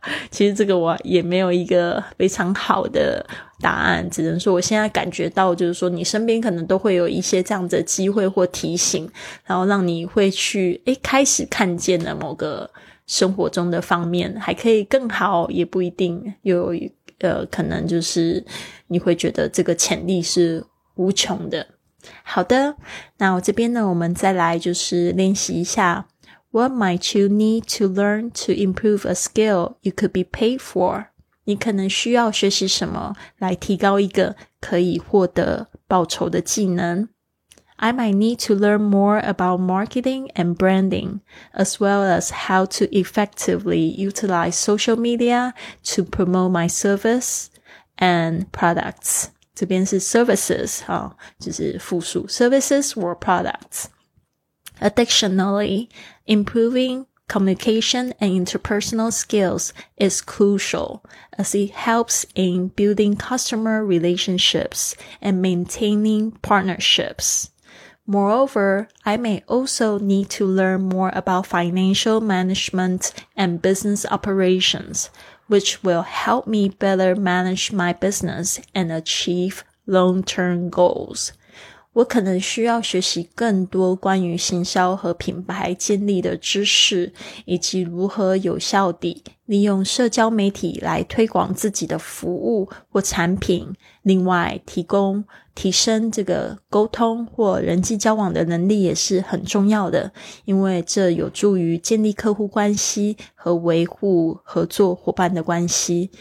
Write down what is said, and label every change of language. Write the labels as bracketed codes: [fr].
[zh] 其实这个我也没有一个非常好的答案，只能说我现在感觉到就是说你身边可能都会有一些这样的机会或提醒，然后让你会去开始看见了某个生活中的方面还可以更好，也不一定有可能就是你会觉得这个潜力是无穷的。好的，那我这边呢，我们再来就是练习一下 [en] What might you need to learn to improve a skill you could be paid for? [zh] 你可能需要学习什么来提高一个可以获得报酬的技能。 [en] I might need to learn more about marketing and branding, as well as how to effectively utilize social media to promote my service and products. [zh] 这边是 services, 就是复数 [en] services or products. Additionally, improving communication and interpersonal skills is crucial as it helps in building customer relationships and maintaining partnerships. Moreover, I may also need to learn more about financial management and business operations, which will help me better manage my business and achieve long-term goals. [zh] 我可能需要学习更多关于行销和品牌建立的知识，以及如何有效地利用社交媒体来推广自己的服务或产品，另外提升这个沟通或人际交往的能力也是很重要的，因为这有助于建立客户关系和维护合作伙伴的关系。